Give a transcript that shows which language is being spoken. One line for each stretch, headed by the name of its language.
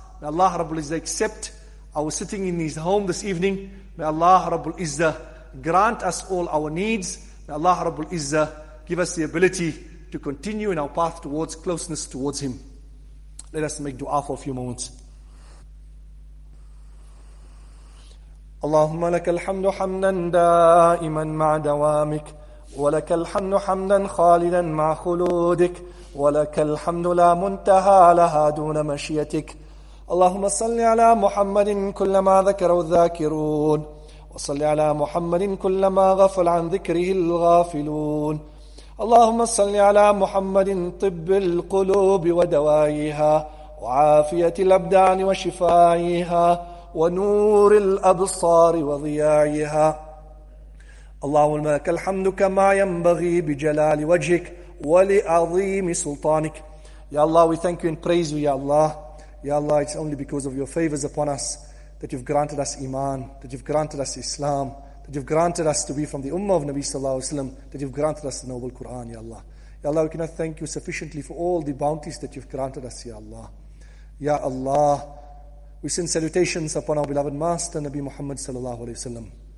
English: May Allah Rabbul Izzah accept our sitting in his home this evening. May Allah Rabbul Izzah grant us all our needs. May Allah Rabbul Izzah give us the ability to continue in our path towards closeness towards Him. Let us make dua for a few moments.
Arabic: اللهم لك الحمد حمدا دائما مع دوامك ولك الحمد حمدا خالدا مع خلودك ولك الحمد لا منتهى لها دون مشيتك اللهم صل على محمد كلما ذكره الذاكرون وصل على محمد كلما غفل عن ذكره الغافلون اللهم صل على محمد طب القلوب ودوائها وعافية الأبدان وشفائها ونور الأبصار وضيائها اللهم لك الحمد كما ينبغي بجلال وجهك ولعظيم سلطانك يا الله
English: we thank you and praise you
Arabic: يا الله يا الله
English: it's only because of your favors upon us that you've granted us iman that you've granted us islam that you've granted us to be from the ummah of Nabi sallallahu alaihi wasallam that you've granted us the noble Quran يا الله يا الله we cannot thank you sufficiently for all the bounties that you've granted us يا الله يا الله We send salutations upon our beloved master, Nabi Muhammad sallallahu alayhi wa sallam.